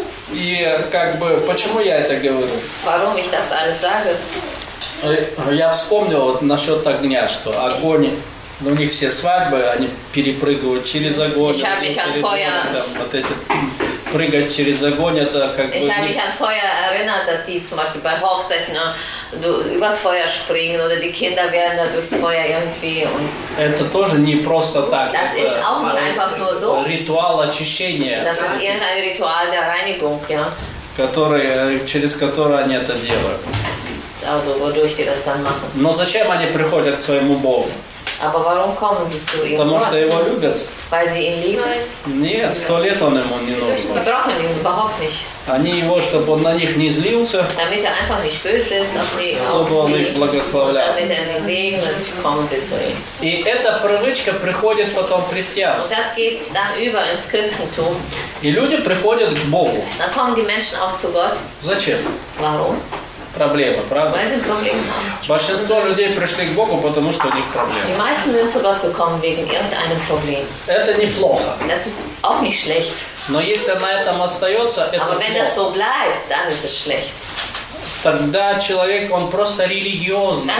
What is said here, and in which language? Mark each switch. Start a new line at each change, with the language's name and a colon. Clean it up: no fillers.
Russian: И как бы, почему я это говорю? Я вспомнил вот насчет огня, что огонь... Но у них все свадьбы, они перепрыгивают через огонь.
German: Ich habe mich an Feuer...
Russian: Вот эти, прыгать через огонь, это как
German: бы... Ich habe mich an Feuer erinnert, dass die zum Beispiel bei Hochzeiten übers Feuer springen oder die Kinder werden da durchs Feuer irgendwie und...
Russian: Это тоже не просто так.
German: Das ist auch nicht einfach nur so.
Russian: Ритуал очищения.
German: Das ist irgendein Ritual der Reinigung, ja.
Russian: Через который они это делают.
German: Also, wodurch die das dann machen.
Russian: Но зачем они приходят к своему Богу?
German: Aber warum kommen sie zu ihm?
Russian: Потому что его любят.
German: Weil sie ihn lieben?
Russian: Нет, сто лет он ему не нужен.
German: Sie brauchen ihn überhaupt nicht.
Russian: Они его, чтобы он на них не злился.
German: Damit er einfach nicht böse ist, auf sie.
Russian: Чтобы он их благословлял.
German: Damit er sie segnet, kommen sie zu ihm.
Russian: И эта привычка приходит потом в христианство.
German: Und das geht dann über ins Christentum.
Russian: И люди приходят к Богу.
German: Dann kommen die Menschen auch zu Gott.
Russian: Зачем?
German: Warum?
Russian: Проблема, правда? Большинство людей пришли к Богу, потому что у них проблемы.
German: Die meisten sind zu Gott gekommen wegen irgendeinem Problem.
Russian: Это неплохо.
German: Das ist auch nicht schlecht.
Russian: Но если на этом остается, это
German: плохо. Aber wenn das so bleibt, dann ist es schlecht.
Russian: Тогда человек, он просто религиозный.